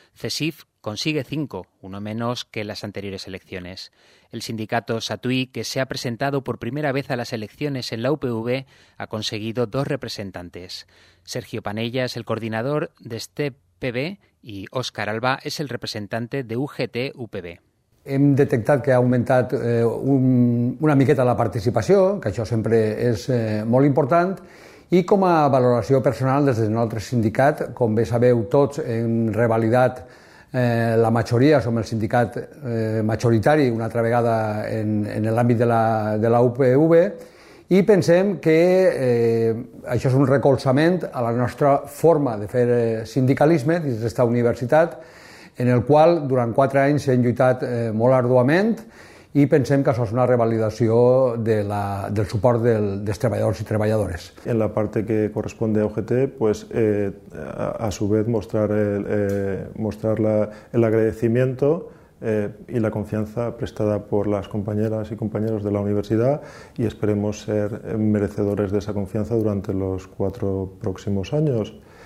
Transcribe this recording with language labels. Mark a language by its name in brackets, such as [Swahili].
[Spanish] CESIF consigue 5, uno menos que en las anteriores elecciones. El sindicato Satuí, que se ha presentado por primera vez a las elecciones en la UPV, ha conseguido 2 representantes. Sergio Panella es el coordinador de STPB y Óscar Alba es el representante de UGT-UPV. [Catalan] Hem detectat que ha augmentat una miqueta la participació, que això sempre és molt important, i com a valoració personal des del nostre sindicat, com bé sabeu tots, hem revalidat la majoria, som el sindicat majoritari una altra vegada en l'àmbit de la UPV, i pensem que això és un recolzament a la nostra forma de fer sindicalisme dins d'aquesta universitat, en el qual durant 4 anys hem lluitat molt arduament i pensem que això és una revalidació del suport dels treballadors i treballadores. En la part que correspon a UGT, [Spanish] pues, a su vez mostrar el agradeciment y la confianza prestada por las compañeras y compañeros de la universidad y esperemos ser merecedores de esa confianza durante los 4 próximos años.